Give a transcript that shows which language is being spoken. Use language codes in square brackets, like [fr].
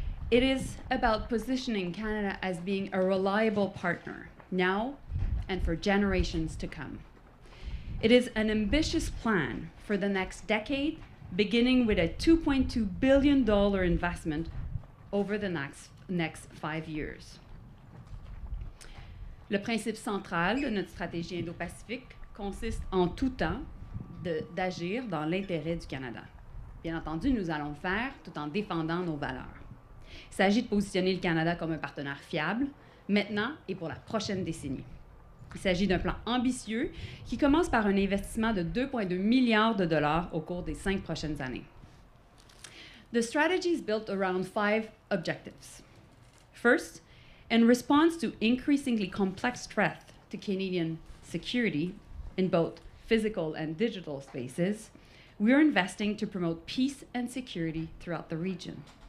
[en] It is about positioning Canada as being a reliable partner now and for generations to come. It is an ambitious plan for the next decade, beginning with a $2.2 billion investment over the next 5 years. [fr] Le principe central de notre stratégie Indo-Pacifique consiste en tout temps d'agir dans l'intérêt du Canada. Bien entendu, nous allons le faire tout en défendant nos valeurs. Il s'agit de positionner le Canada comme un partenaire fiable, maintenant et pour la prochaine décennie. Il s'agit d'un plan ambitieux qui commence par un investissement de 2,2 milliards de dollars au cours des 5 prochaines années. [en] The strategy is built around 5 objectives. First, in response to increasingly complex threats to Canadian security in both physical and digital spaces, we are investing to promote peace and security throughout the region.